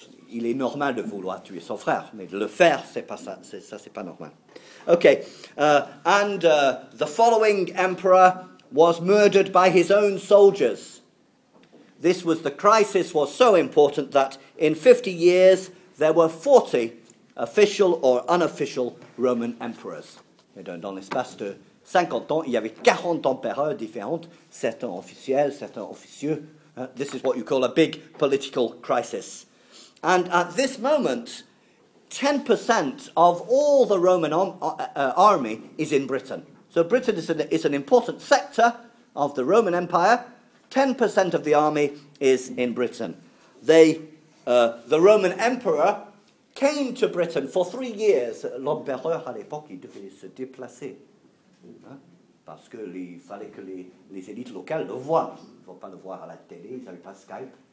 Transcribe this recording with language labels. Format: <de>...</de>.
<fr>Il est normal de vouloir tuer son frère, mais de le faire, c'est pas ça. Ça, c'est pas normal. Okay.</fr> <en>And the following emperor was murdered by his own soldiers. This was the crisis was so important that in 50 years there were 40 official or unofficial Roman emperors.</en> <fr>Et donc dans l'espace de 50 ans, il y avait 40 empereurs différents, certains officiels, certains officieux.</fr> <en>This is what you call a big political crisis. And at this moment, 10% of all the Roman army is in Britain. So Britain is an important sector of the Roman Empire. 10% of the army is in Britain. The Roman Emperor came to Britain for 3 years.</en> <fr>L'empereur à l'époque, il devait se déplacer. Hein? Parce qu'il fallait que les élites locales le voient. Ils ne vont pas le voir à la télé, ils n'avaient pas Skype.</fr>